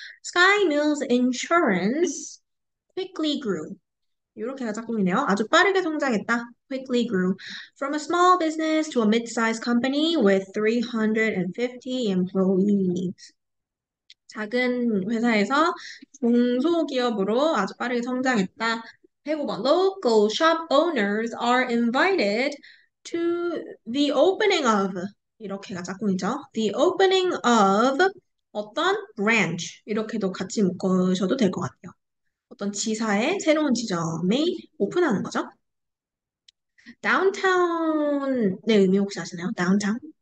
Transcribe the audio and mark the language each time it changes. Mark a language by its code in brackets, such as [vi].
[en] Sky Mills Insurance quickly grew. [ko] 이렇게가 짝꿍이네요. 아주 빠르게 성장했다. [en] quickly grew from a small business to a mid-sized company with 350 employees. [ko] 작은 회사에서 중소기업으로 아주 빠르게 성장했다. 105번. [en] Local shop owners are invited to the opening of. [ko] 이렇게가 짝꿍이죠. [en] The opening of 어떤 branch. [ko] 이렇게도 같이 묶으셔도 될것 같아요. 어떤 지사의 새로운 지점에 오픈하는 거죠. 다운타운의 의미 혹시 아시나요? 다운타운?